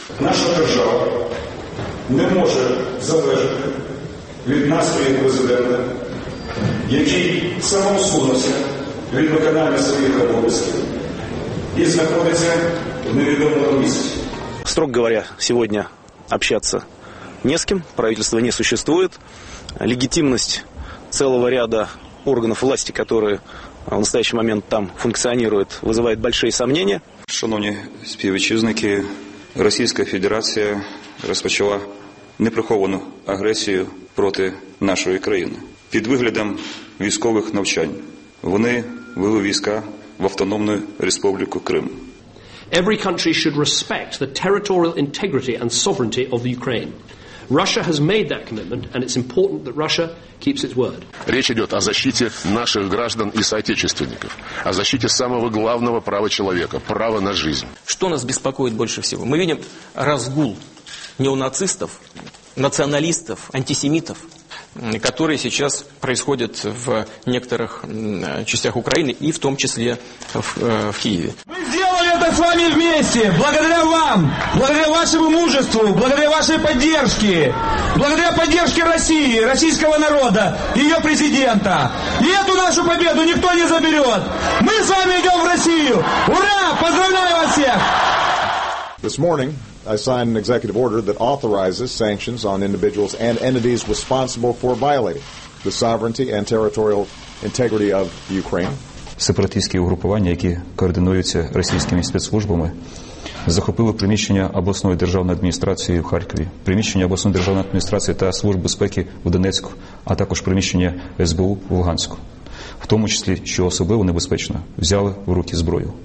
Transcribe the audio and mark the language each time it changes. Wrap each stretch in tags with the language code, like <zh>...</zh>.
<uk>Наша держава не може залежати від настрою президента, який самоусунувся від виконання своїх обов'язків і знаходиться в невідомому місці.</uk> <ru>Строго говоря,</ru> <uk>сьогодні общатися не з ким,</uk> <ru>правительство не существует. Легитимность целого ряда органов власти, которые в настоящий момент там функционируют, вызывает большие сомнения.</ru> <uk>Шановні співвітчизники, Російська Федерація розпочала неприховану агресію проти нашої країни. Під виглядом військових навчань вони вели війська в Автономну Республіку Крим.</uk> <en>Every country should respect the territorial integrity and sovereignty of the Ukraine. Russia has made that commitment, and it's important that Russia keeps its word.</en> <ru>Речь идет о защите наших граждан и соотечественников, о защите самого главного права человека – права на жизнь. Что нас беспокоит больше всего? Мы видим разгул неонацистов, националистов, антисемитов, которые сейчас происходят в некоторых частях Украины и в том числе в Киеве. Это с вами вместе, благодаря вам, благодаря вашему мужеству, благодаря вашей поддержке, благодаря поддержке России, российского народа, ее президента. И эту нашу победу никто не заберет. Мы с вами идем в Россию. Ура! Поздравляю вас всех!</ru> <en>This morning I signed an executive order that authorizes sanctions on individuals and entities responsible for violating the sovereignty and territorial integrity of Ukraine.</en> <uk>Сепаратистські угрупування, які координуються російськими спецслужбами, захопили приміщення обласної державної адміністрації в Харкові, приміщення обласної державної адміністрації та служб безпеки в Донецьку, а також приміщення СБУ в Луганську. В тому числі, що особливо небезпечно, взяли в руки зброю.</uk>